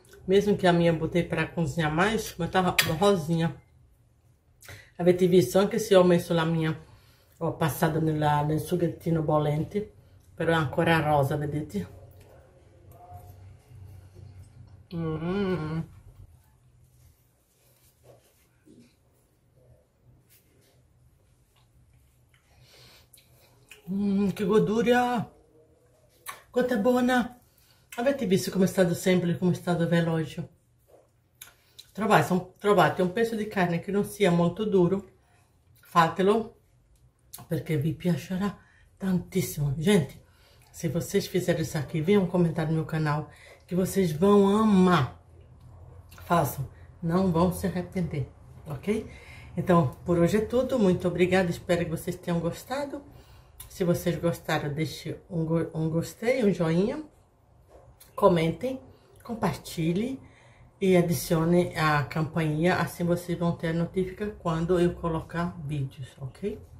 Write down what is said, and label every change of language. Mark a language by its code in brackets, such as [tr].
[pt] Mesmo que a minha botei para cozinhar mais, mas tava rosinha. [it] Avete visto anche se ho messo la mia, ho passato nel sughettino bollente, però è ancora rosa, vedete? Che goduria! Quanto è buona! Avete visto come è stato semplice, come è stato veloce? Trovate un pezzo di carne che non sia molto duro, fatelo perché vi piacerà tantissimo. [pt] Gente, se vocês fizerem isso aqui, [it] vi un commento al mio canale [pt] che vocês vão amar. Façam, non vão se arrepender, ok? Então, por hoje é tudo. Muito obrigada, espero che vocês tenham gostado. Se vocês gostaram, deixe um gostei, um joinha, comentem, compartilhe e adicione a campainha, assim vocês vão ter a notificação quando eu colocar vídeos, ok?